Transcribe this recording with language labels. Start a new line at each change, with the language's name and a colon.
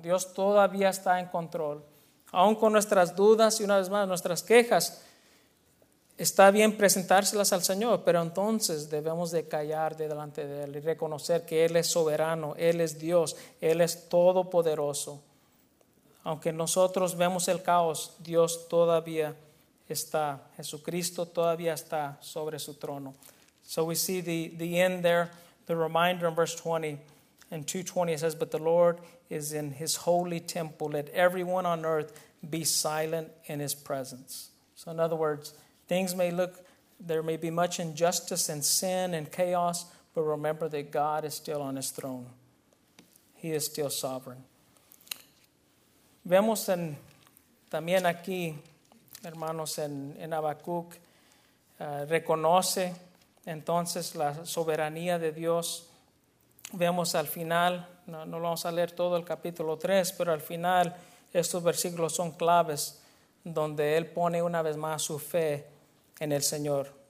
Spanish: Dios todavía está en control. Aún con nuestras dudas y una vez más nuestras quejas, está bien presentárselas al Señor, pero entonces debemos de callar delante de él y reconocer que él es soberano, él es Dios, él es todopoderoso. Aunque nosotros vemos el caos, Dios todavía está, Jesucristo todavía está sobre su trono.
English: So we see the end there. The reminder in verse 20 and 220, it says, but the Lord is in his holy temple. Let everyone on earth be silent in his presence. So in other words, things may look, there may be much injustice and sin and chaos, but remember that God is still on his throne. He is still sovereign.
Spanish: Vemos en, también aquí, hermanos, en Habacuc, reconoce entonces la soberanía de Dios. Vemos al final, no lo vamos a leer todo el capítulo 3, pero al final estos versículos son claves donde él pone una vez más su fe en el Señor.